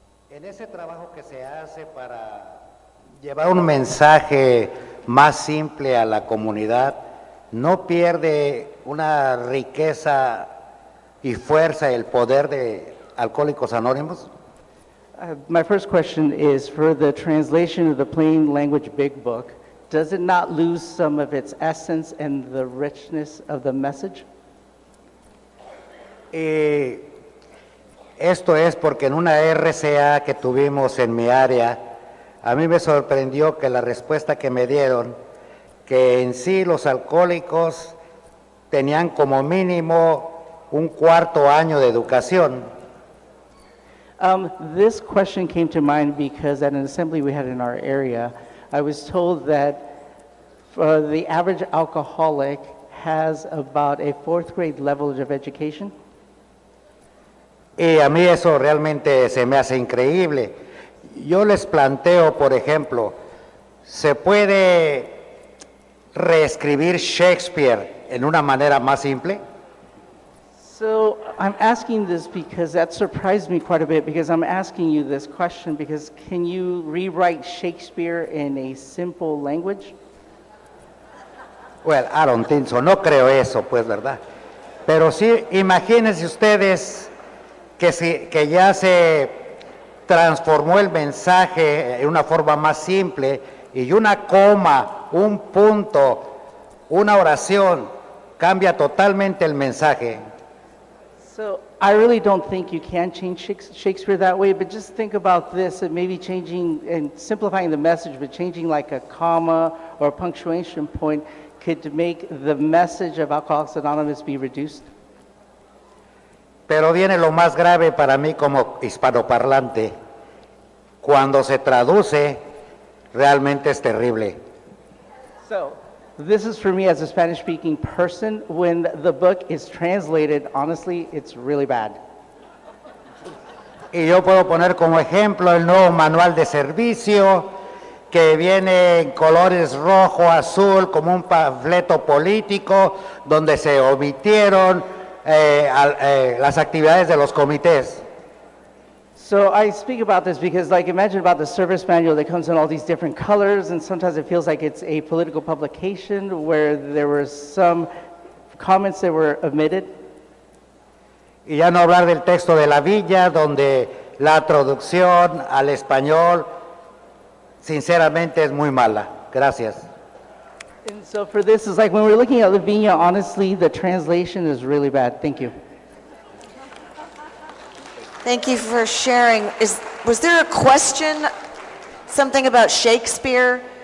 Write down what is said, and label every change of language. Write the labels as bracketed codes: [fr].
[es] En ese trabajo que se hace para llevar un mensaje más simple a la comunidad, ¿no pierde una riqueza y fuerza el poder de Alcohólicos Anónimos? [en] My first question is for the translation of the Plain Language Big Book. Does it not lose some of its essence and the richness of the message? [es] Esto es porque en una RCA que tuvimos en mi área, a mí me sorprendió que la respuesta que me dieron, que en sí los alcohólicos tenían como mínimo un cuarto año de educación. [en] This question came to mind because at an assembly we had in our area, I was told that the average alcoholic has about a fourth grade level of education. [es] Y a mí eso realmente se me hace increíble. Yo les planteo, por ejemplo, ¿se puede reescribir Shakespeare en una manera más simple? [en] So I'm asking this because that surprised me quite a bit, because I'm asking you this question because can you rewrite Shakespeare in a simple language? Well, I don't think so. [es] No creo eso, pues, ¿verdad? Pero sí, imagínense ustedes que, si, que ya se transformó el mensaje en una forma más simple y una coma, un punto, una oración cambia totalmente el mensaje. [en] So, I really don't think you can change Shakespeare that way, but just think about this, and maybe changing and simplifying the message, but changing like a comma or a punctuation point could make the message of Alcoholics Anonymous be reduced. [es] Pero viene lo más grave para mí como hispanoparlante. Cuando se traduce, realmente es terrible. [en] So, this is for me as a Spanish-speaking person. When the book is translated, honestly, it's really bad. [es] Y yo puedo poner como ejemplo el nuevo manual de servicio que viene en colores rojo, azul, como un panfleto político, donde se omitieron las actividades de los comités. [en] So I speak about this because, like, imagine about the service manual that comes in all these different colors, and sometimes it feels like it's a political publication where there were some comments that were omitted. [es] Y ya no hablar del texto de la Villa, donde la traducción al español, sinceramente, es muy mala. Gracias. [en] And so for this, it's like when we're looking at Lavinia, honestly, the translation is really bad. Thank you. Thank you for sharing. Was there a question? Something about Shakespeare?